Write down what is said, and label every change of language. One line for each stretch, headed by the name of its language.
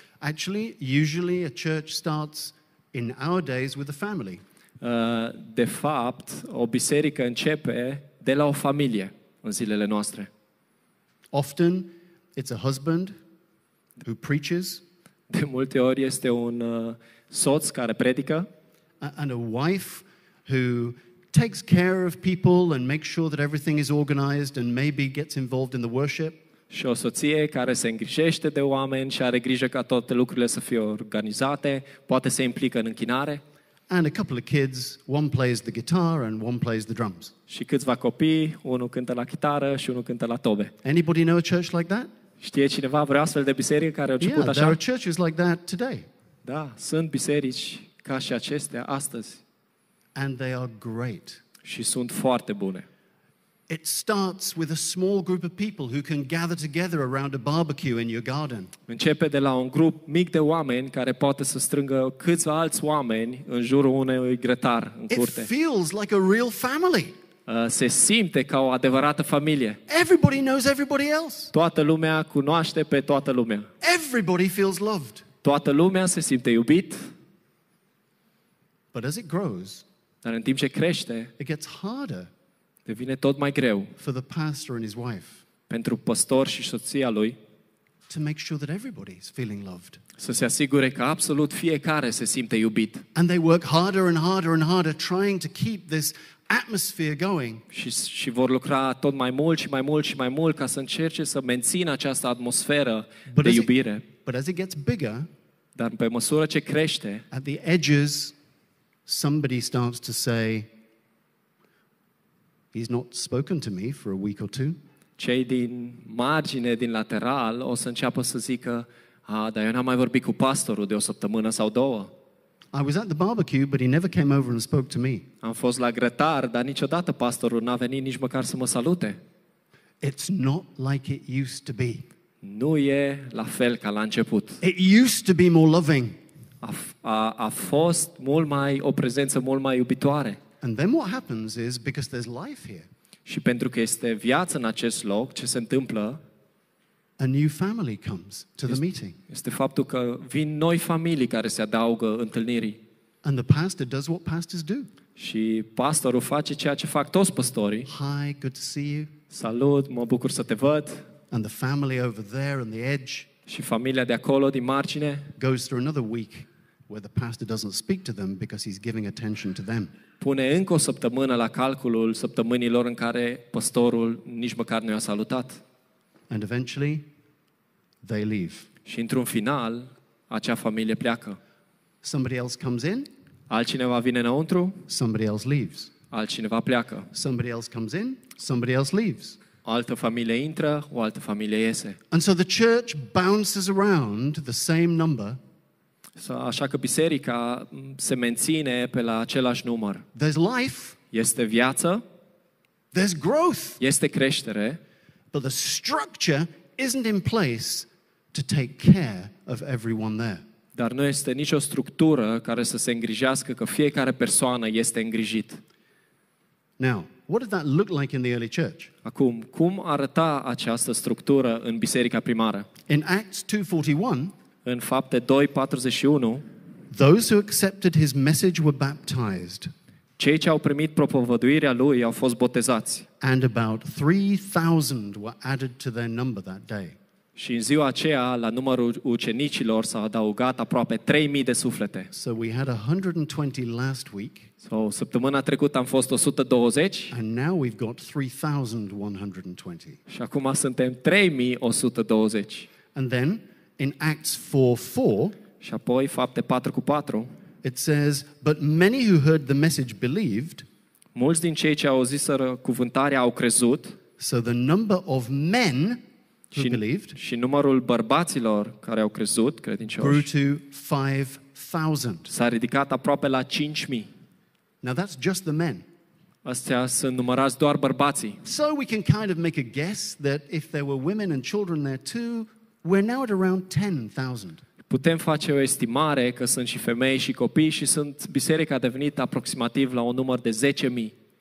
English: Actually, usually a church starts in our days with a family.
Romanian: De fapt, o biserică începe de la o familie în zilele noastre.
English: Often it's a husband who preaches.
Romanian: De multe ori este un soț care predică.
English: And a wife who takes care of people and makes sure that everything is organized and maybe gets involved in the worship.
Romanian: Și o soție care se îngrijește de oameni și are grijă ca toate lucrurile să fie organizate, poate se implică în închinare.
English: And a couple of kids, one plays the guitar and one plays the drums.
Romanian: Și câțiva copii, unul cântă la chitară și unul cântă la tobe.
English: Anybody know a church like that?
Romanian: Știe cineva vreo astfel de biserică care a început
English: yeah,
Romanian: așa?
English: There are churches like that today.
Romanian: Da, sunt biserici ca și acestea astăzi.
English: And they are great.
Romanian: Și sunt foarte bune.
English: It starts with a small group of people who can gather together around a barbecue in your garden.
Romanian: Începe de la un grup mic de oameni care poate să strângă câțiva alți oameni în jurul unui grătar în curte.
English: It feels like a real family.
Romanian: Se simte ca o adevărată familie.
English: Everybody knows everybody else.
Romanian: Toată lumea cunoaște pe toată lumea.
English: Everybody feels loved.
Romanian: Toată lumea se simte iubit.
English: But as it grows,
Romanian: dar în timp ce crește,
English: it gets harder,
Romanian: devine tot mai greu
English: for the pastor and his wife,
Romanian: pentru pastor și soția lui,
English: to make sure that everybody's feeling loved,
Romanian: să se asigure că absolut fiecare se simte iubit.
English: And they work harder and harder and harder trying to keep this atmosphere going.
Romanian: Și vor lucra tot mai mult și mai mult și mai mult ca să încerce să mențină această atmosferă de iubire.
English: But as it gets bigger,
Romanian: dar pe măsură ce crește,
English: at the edges, somebody starts to say, he's not spoken to me for a week or two.
Romanian: Cei din margine, din lateral, o să înceapă să zică, dar eu n-am mai vorbit cu pastorul de o săptămână sau două.
English: I was at the barbecue, but he never came over and spoke to me.
Romanian: Am fost la grătar, dar niciodată pastorul n-a venit nici măcar să mă salute.
English: It's not like it used to be.
Romanian: Nu e la fel ca la început.
English: It used to be more loving.
Romanian: A fost mult mai o prezență mult mai iubitoare.
English: And then what happens is because there's life here.
Romanian: Și pentru că este viață în acest loc, ce se întâmplă?
English: A new family comes to the meeting.
Romanian: Este faptul că vin noi familii care se adaugă întâlnirii.
English: And the pastor does what pastors do.
Romanian: Și pastorul face ceea ce fac toți păstorii.
English: Hi, good to see you.
Romanian: Salut, mă bucur să te văd.
English: And the family over there on the edge.
Romanian: Și familia de acolo din margine.
English: Goes through another week where the pastor doesn't speak to them because he's giving attention to them.
Romanian: Pune încă o săptămână la calculul săptămânilor în care păstorul nici măcar nu i-a salutat.
English: And eventually they leave.
Romanian: Și într-un final acea familie pleacă.
English: Somebody else comes in.
Romanian: Altcineva vine înăuntru.
English: Somebody else leaves.
Romanian: Altcineva pleacă.
English: Somebody else comes in. Somebody else leaves.
Romanian: O altă familie intră, o altă familie iese.
English: And so the church bounces around the same number.
Romanian: Așa că biserica se menține pe la același număr.
English: There's life.
Romanian: Este viață.
English: There's growth.
Romanian: Este creștere.
English: But the structure isn't in place to take care of everyone there.
Romanian: Dar nu este nicio structură care să se îngrijească că fiecare persoană este îngrijit.
English: Now, what did that look like in the early church?
Romanian: Acum, cum arăta această structură în biserica primară?
English: In Acts 2:41,
Romanian: în Fapte 2:41,
English: those who accepted his message were baptized.
Romanian: Cei ce au primit propovăduirea lui au fost botezați.
English: And about 3,000 were added to their number that day.
Romanian: Și în ziua aceea, la numărul ucenicilor s-au adăugat aproape 3,000 de suflete.
English: So we had 120 last week.
Romanian: So, săptămâna trecută am fost 120.
English: And now we've got 3,120.
Romanian: Și acum suntem 3,120.
English: And then in Acts 4:4,
Romanian: și apoi Fapte 4:4,
English: it says, but many who heard the message believed.
Romanian: Mulți din cei ce au auzit cuvântarea au crezut.
English: So the number of men who believed.
Romanian: Și numărul bărbaților care au crezut, credincioși.
English: Grew to 5,000.
Romanian: S-a ridicat aproape la 5,000.
English: Now that's just the men.
Romanian: Astea sunt numărați doar bărbații.
English: So we can kind of make a guess that if there were women and children there too, we're now at around 10,000.
Romanian: Putem face o estimare că sunt și femei și copii și sunt biserica a devenit aproximativ la un număr de 10,000.